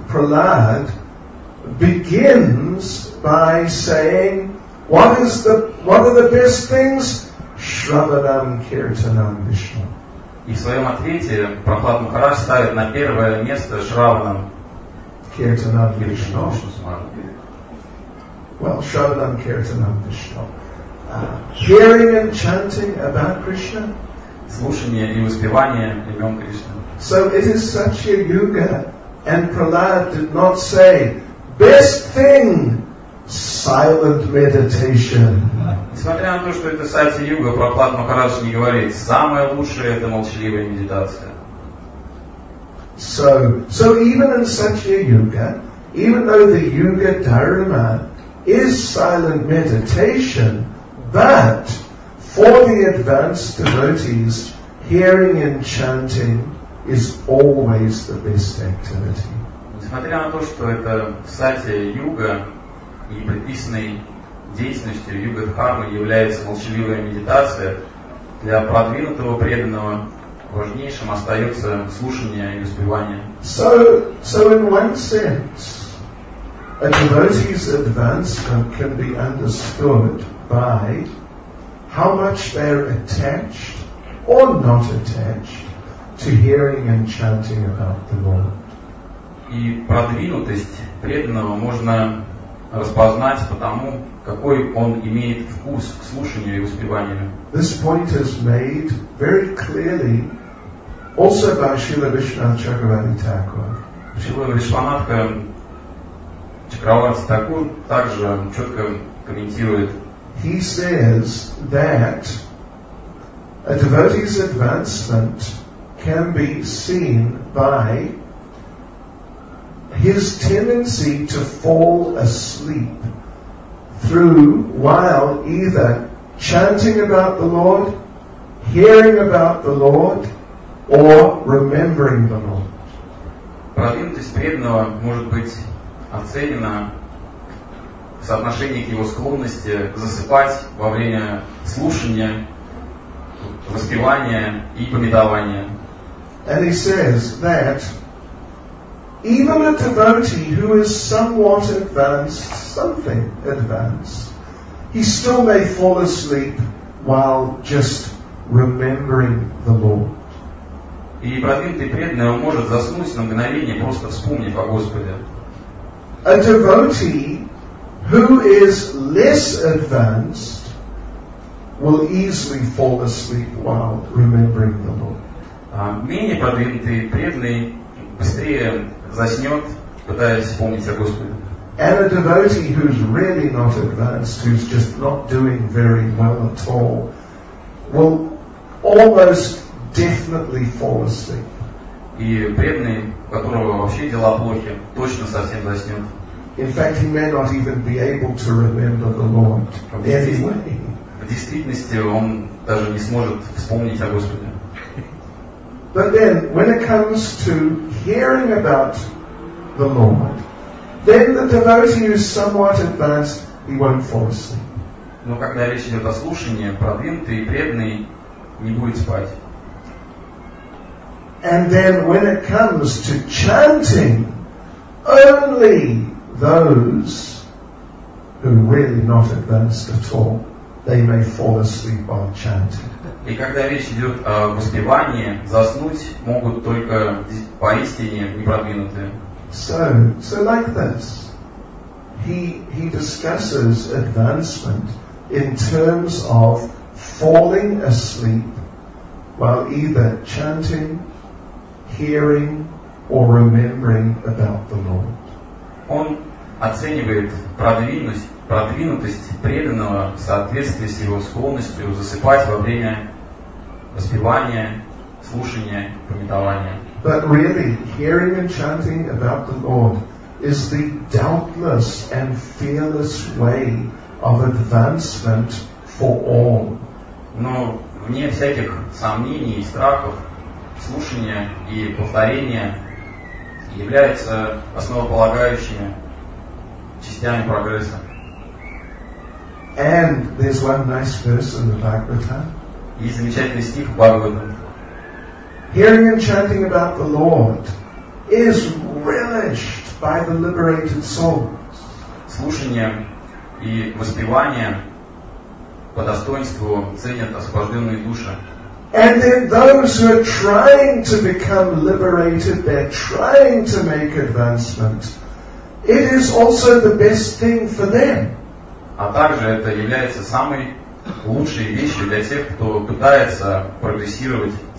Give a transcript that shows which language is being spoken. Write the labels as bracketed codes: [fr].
[en] Prahlad begins by saying, what are the best things? [sa] Shravanam Kirtanam Vishnu. [ru] И в своем ответе Прохлад Махарадж ставит на первое место Шраванам Киртанам Вишну. [en] Well, [sa] Shravanam Kirtanam Vishnu. [en] Hearing and chanting about Krishna. [ru] Слушание и воспевание имен Кришны. [en] So it is Satya Yuga, and Prahlad did not say best thing. Silent meditation. [ru] Несмотря на то, что это Сати Юга, Прохлад Махарадж не говорит, самое лучшее это молчаливая медитация. [en] So even in Satya Yuga, even though the Yuga Dharma is silent meditation, but for the advanced devotees, hearing and chanting is always the best activity. [ru] Несмотря на то, что это Сати Юга, и предписанной деятельностью Юга-Дхармы является молчаливая медитация, для продвинутого преданного важнейшим остается слушание и успевание. [en] So in one sense, a devotee's advancement can be understood by how much they're attached or not attached to hearing and chanting about the Lord. [ru] И продвинутость преданного можно распознать потому, какой он имеет вкус к слушанию и успеванию. [en] This point is made very clearly also by Śrīla Viśvanātha Chakravarti Thakura. [ru] Śrīla Viśvanātha Чакраварти Такур также четко комментирует. [en] He says that a devotee's advancement can be seen by his tendency to fall asleep through while either chanting about the Lord, hearing about the Lord, or remembering the Lord. [ru] Продвинутость преданного может быть оценена в соотношении к его склонности засыпать во время слушания, воспевания и памятования. [en] And he says that even a devotee who is somewhat advanced, something advanced, he still may fall asleep while just remembering the Lord. [ru] И продвинутый преданный может заснуть на мгновение, просто вспомнив о Господе. [en] A devotee who is less advanced will easily fall asleep while remembering the Lord. [ru] Менее продвинутый преданный быстрее заснет, пытаясь вспомнить о Господе. [en] And a devotee who's really not advanced, who's just not doing very well at all, will almost definitely fall asleep. [ru] И преданный, у которого вообще дела плохи, точно совсем заснет. [en] In fact, he may not even be able to remember the Lord anyway. [ru] В действительности он даже не сможет вспомнить о Господе. [en] But then, when it comes to hearing about the Lord, then the devotee who's somewhat advanced, he won't fall asleep. [ru] Но когда речь идет о слушании, продвинутый преданный не будет спать. [en] And then when it comes to chanting, only those who are really not advanced at all, they may fall asleep while chanting. [ru] И когда речь идет о воспевании, заснуть могут только поистине непродвинутые. [en] So like this, he discusses advancement in terms of falling asleep while either chanting, hearing or remembering about the Lord. [ru] Он оценивает продвинутость преданного в соответствии с его склонностью засыпать во время воспевания, слушания, памятования. [en] But really, hearing and chanting about the Lord is the doubtless and fearless way of advancement for all. [ru] Но вне всяких сомнений и страхов слушание и повторение являются основополагающими частями прогресса. [en] And there's one nice verse in the Bhagavatam. [ru] Есть замечательный стих в Бхагаватам. [en] Hearing and chanting about the Lord is relished by the liberated souls. [ru] Слушание и воспевание по достоинству ценят освобожденные души. [en] And then those who are trying to become liberated, they're trying to make advancement. It is also the best thing for them. [ru] А также это является самой лучшей вещью для тех, кто пытается прогрессировать.